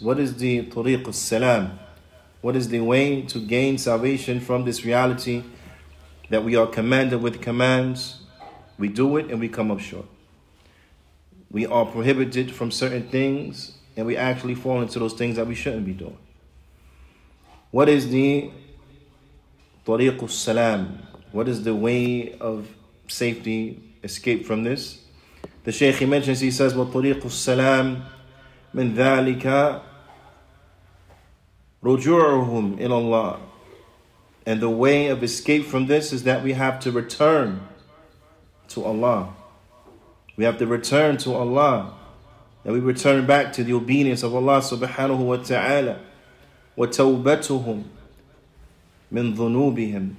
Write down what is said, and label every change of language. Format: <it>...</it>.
<en>What is the tariq al-salam? What is the way to gain salvation from this reality that we are commanded with commands, we do it and we come up short. We are prohibited from certain things and we actually fall into those things that we shouldn't be doing. What is the tariq al-salam? What is the way of safety, escape from this? The Shaykh, he mentions, he says,</en> <ar>وَطَرِيقُ السَّلَامِ مِنْ ذَٰلِكَ رُجُوعُهُمْ إِلَى اللَّهِ.</ar> <en>And the way of escape from this is that we have to return to Allah. We have to return to Allah. And we return back to the obedience of Allah subhanahu wa ta'ala.</en> <ar>وَتَوْبَتُهُمْ مِنْ ذُنُوبِهِمْ.</ar>